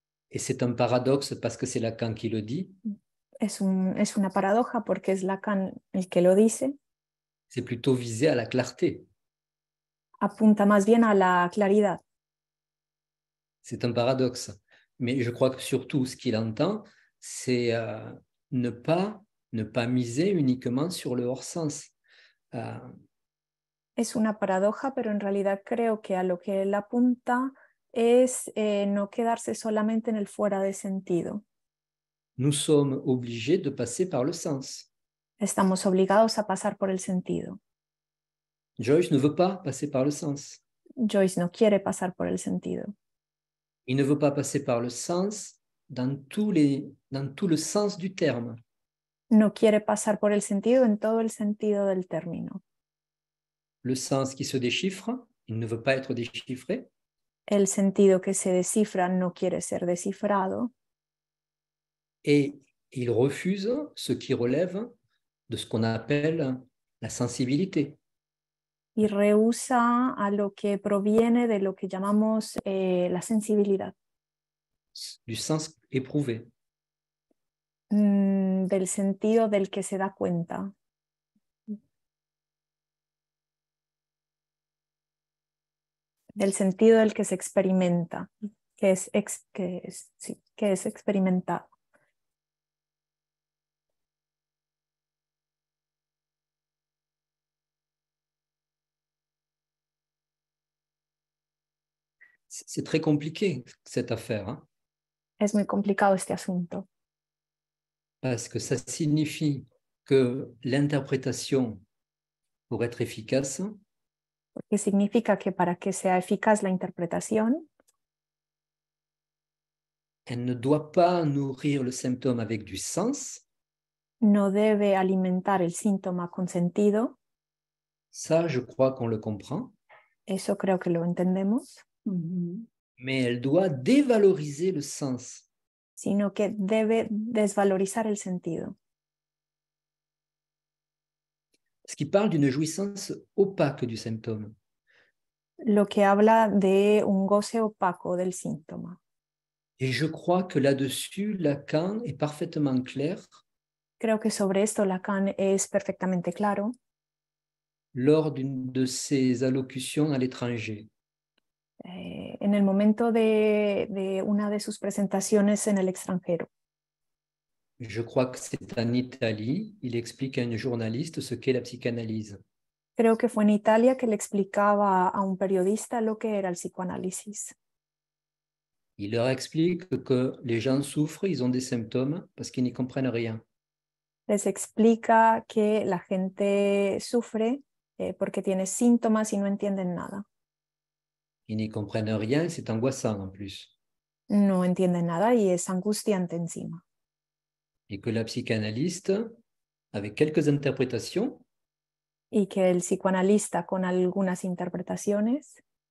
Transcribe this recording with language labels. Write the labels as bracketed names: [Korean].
[French] Et c'est un paradoxe parce que c'est Lacan qui le dit. [Spanish] Es una paradoja porque es Lacan el que lo dice. [French] C'est plutôt visé à la clarté. [Spanish] Apunta más bien a la claridad. [French] C'est un paradoxe. Mais je crois que surtout ce qu'il entend, c'est ne pas miser uniquement sur le hors-sens. [Spanish] Es una paradoja, pero en realidad creo que a lo que él apunta es no quedarse solamente en el fuera de sentido. [French] Nous sommes obligés de passer par le sens. [Spanish] Estamos obligados a pasar por el sentido. [French] Joyce ne veut pas passer par le sens. [Spanish] Joyce no quiere pasar por el sentido. [French] Il ne veut pas passer par le sens dans tout le sens du terme. [Spanish] No quiere pasar por el sentido en todo el sentido del término. [French] Le sens qui se déchiffre, il ne veut pas être déchiffré. [Spanish] El sentido que se descifra no quiere ser descifrado. [French] Et il refuse ce qui relève de ce qu'on appelle la sensibilité. [Spanish] Y rehúsa a lo que proviene de lo que llamamos la sensibilidad. [French] Du sens éprouvé. [Spanish] Del sentido del que se da cuenta. Del sentido del que se experimenta, que es experimentado. [French] C'est très compliqué cette affaire. Hein? [Spanish] Es muy complicado este asunto. [French] Parce que ça signifie que l'interprétation pour être efficace. [Spanish] Que significa que para que sea eficaz la interpretación, [French] elle ne doit pas nourrir le symptôme avec du sens. [Spanish] No debe alimentar el síntoma con sentido. [French] Ça, je crois qu'on le comprend. [Spanish] Eso creo que lo entendemos. [French] Mais elle doit dévaloriser le sens. [Spanish] Sino que debe desvalorizar el sentido. [French] Ce qui parle d'une jouissance opaque du symptôme. [Spanish] Lo que habla de un goce opaco del síntoma. [French] Et je crois que là-dessus, Lacan est parfaitement clair. [Spanish] Creo que sobre esto Lacan es perfectamente claro. [French] Lors d'une de ses allocutions à l'étranger. [Spanish] En el momento de una de sus presentaciones en el extranjero. [French] Je crois que c'est en Italie. Il explique à une journaliste ce qu'est la psychanalyse. [Spanish] Creo que fue en Italia que le explicaba a un periodista lo que era el psicoanálisis. [French] Il leur explique que les gens souffrent, ils ont des symptômes parce qu'ils n'y comprennent rien. [Spanish] Les explica que la gente sufre porque tiene síntomas y no entienden nada. [French] Ils n'y comprennent rien, c'est angoissant en plus. [Spanish] No entienden nada y es angustiante encima. [French] Et que la psychanalyste, avec quelques interprétations, [Spanish] y que el psicoanalista con algunas interpretaciones